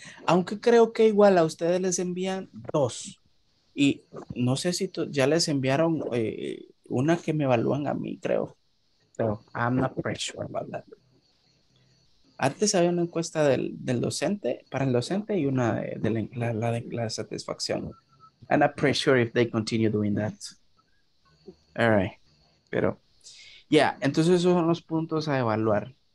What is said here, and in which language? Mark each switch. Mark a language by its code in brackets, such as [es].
[es] Aunque creo que igual a ustedes les envían 2. Y no sé si ya les enviaron una que me evalúan a mí, creo. [en] So, I'm not pretty sure about that. [es] Antes había una encuesta del docente, para el docente, y una de la satisfacción. [en] I'm not pretty sure if they continue doing that. All right. [es] Pero, entonces esos son los puntos a evaluar.